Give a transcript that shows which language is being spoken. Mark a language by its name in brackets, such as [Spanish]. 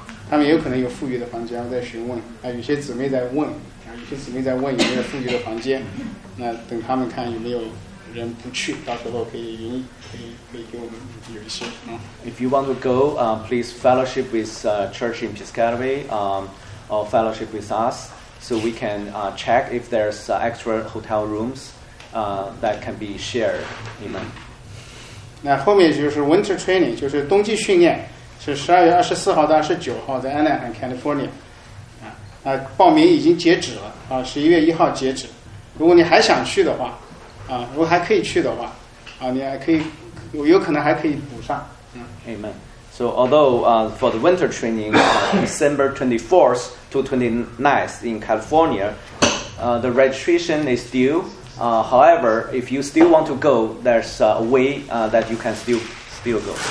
[Chinese] 他们也有可能有富裕的房间在询问啊，有些姊妹在问啊，有些姊妹在问有没有富裕的房间，那等他们看有没有人不去，到时候可以给我们有一些啊。 [English] If you want to go, please fellowship with church in Piscataway, or fellowship with us, so we can check if there's extra hotel rooms that can be shared. Amen. [Chinese] 那后面就是 winter training， 就是冬季训练。是12月24号到29号在 Anaheim, California。啊，报名已经截止了啊，11月1号截止。如果你还想去的话，啊，如果还可以去的话，啊，你还可以，有可能还可以补上。 [English] Amen. So although for the winter training, December 24th to 29th in California, the registration is due. However, if you still want to go, there's a way that you can still go.